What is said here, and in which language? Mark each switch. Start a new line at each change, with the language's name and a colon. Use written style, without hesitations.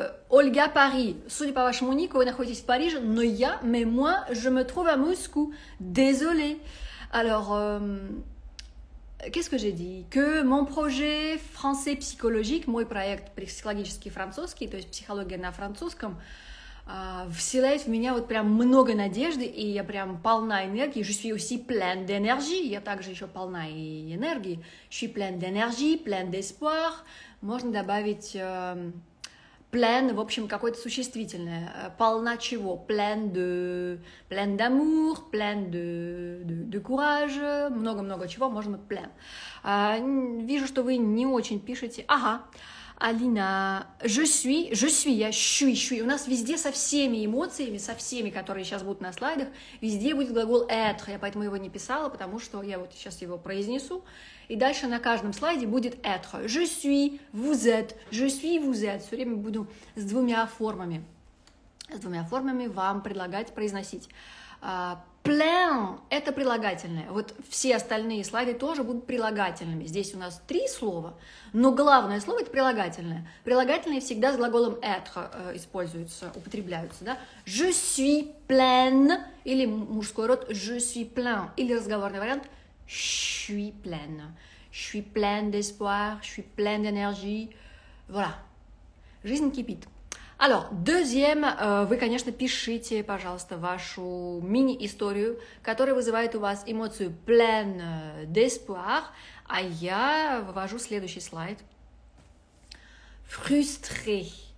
Russian: Ольга Пари, судя по вашему нику, вы находитесь в Париже, но я,
French: mais moi, je me trouve à Moscou. Désolé. Alors, qu'est-ce que j'ai dit? Que mon projet français psychologique,
Russian: мой проект психологический французский, то есть психология на французском, вселяет в меня вот прям много надежды, и я прям полна энергии.
French: Je suis aussi pleine d'énergie.
Russian: Я также еще полна и энергии.
French: Je suis pleine d'énergie, pleine d'espoir.
Russian: Можно добавить Plein, в общем, какое-то существительное. Полна чего?
French: Plein d'amour, plein de courage,
Russian: много-много чего, можно
French: plein.
Russian: Вижу, что вы не очень пишете. Ага, Алина,
French: je suis.
Russian: У нас везде со всеми эмоциями, со всеми, которые сейчас будут на слайдах, везде будет глагол être. Я поэтому его не писала, потому что я вот сейчас его произнесу. И дальше на каждом слайде будет être.
French: Je suis, vous êtes, je suis, vous êtes.
Russian: Все время буду с двумя формами. С двумя формами вам предлагать произносить. Plein – это прилагательное. Вот все остальные слайды тоже будут прилагательными. Здесь у нас три слова, но главное слово – это прилагательное. Прилагательные всегда с глаголом être используются, употребляются. Да?
French: Je suis plein,
Russian: или мужской род
French: je suis plein,
Russian: или разговорный вариант
French: – Je suis pleine d'espoir, je suis pleine d'énergie.
Russian: Voilà. Жизнь кипит.
French: Alors, deuxième,
Russian: вы, конечно, пишите, пожалуйста, вашу мини-историю, которая вызывает у вас эмоцию
French: pleine d'espoir,
Russian: а я вывожу следующий слайд.
French: Frustré.